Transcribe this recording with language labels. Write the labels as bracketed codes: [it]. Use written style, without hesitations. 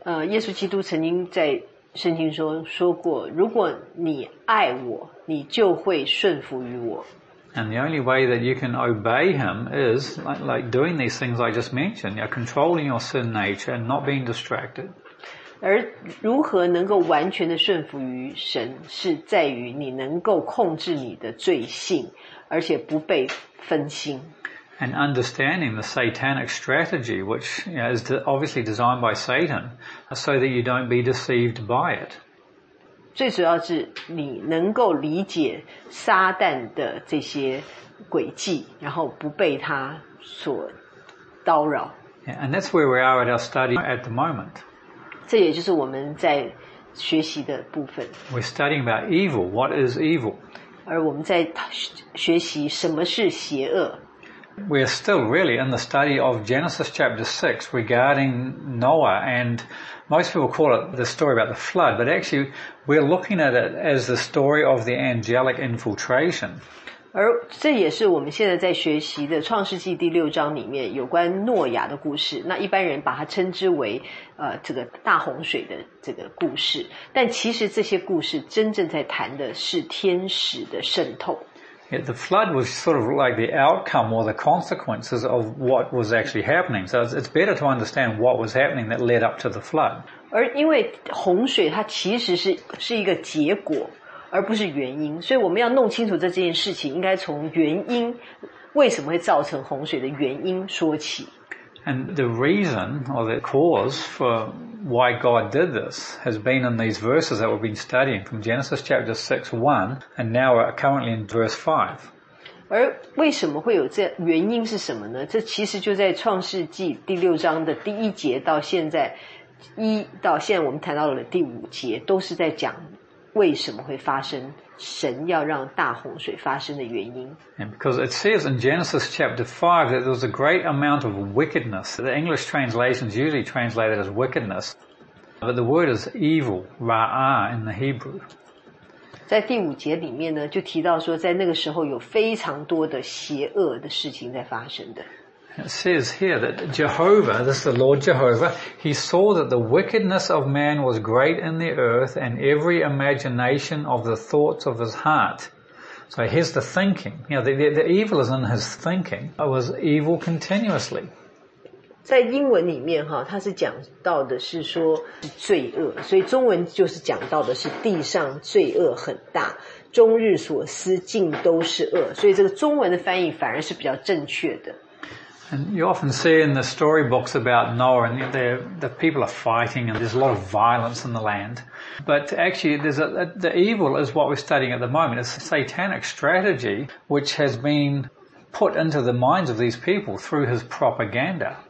[zh] 耶稣基督曾经在圣经中说过，如果你爱我，你就会顺服于我。 [en] And the only way that you can obey him is like doing these things I just mentioned, you're controlling your sin nature and not being distracted. [zh] 而如何能够完全的顺服于神，是在于你能够控制你的罪性，而且不被分心。 [en] And understanding the satanic strategy, which is obviously designed by Satan, so that you don't be deceived by it. [zh] 最主要是你能够理解撒旦的这些诡计，然后不被他所叨扰。 [en] Yeah, and that's where we are at our study at the moment. [zh] 这也就是我们在学习的部分。 [en] We're studying about evil. What is evil? [zh] 而我们在学习什么是邪恶。 [en] We're still really in the study of Genesis chapter 6 regarding Noah, and most people call it the story about the flood, but actually we're looking at it as the story of the angelic infiltration. [zh] 而这也是我们现在在学习的创世纪第六章里面有关诺亚的故事，那一般人把它称之为这个大洪水的这个故事，但其实这些故事真正在谈的是天使的渗透。 [en] Yeah, the flood was sort of like the outcome or the consequences of what was actually happening. So it's better to understand what was happening that led up to the flood. [zh] 而因为洪水它其实 是一个结果而不是原因，所以我们要弄清楚这件事情应该从原因，为什么会造成洪水的原因说起。 [en] And the reason or the cause for why God did this has been in these verses that we've been studying from Genesis chapter 6:1 and now we're currently in verse 5. [zh] 而为什么会有这原因是什么呢？这其实就在创世纪第六章的第一节到现在一到现在我们谈到了第五节都是在讲为什么会发生神要让大洪水发生的原因。 [en] And because it says in Genesis chapter 5 that there was a great amount of wickedness. The English translations usually translate it as wickedness. But the word is evil, ra'ah in the Hebrew. [zh] 在第五节里面呢就提到说在那个时候有非常多的邪恶的事情在发生的。 [en] It says here that Jehovah, this is the Lord Jehovah, he saw that the wickedness of man was great in the earth and every imagination of the thoughts of his heart. So here's the thinking. You know, the evil is in his thinking. It was evil continuously. [zh] 在英文里面它是讲到的是说是罪恶，所以中文就是讲到的是地上罪恶很大，终日所思尽都是恶，所以这个中文的翻译反而是比较正确的。 [en] And you often see in the storybooks about Noah and the people are fighting and there's a lot of violence in the land. But actually there's the evil is what we're studying at the moment. It's a satanic strategy which has been put into the minds of these people through his propaganda.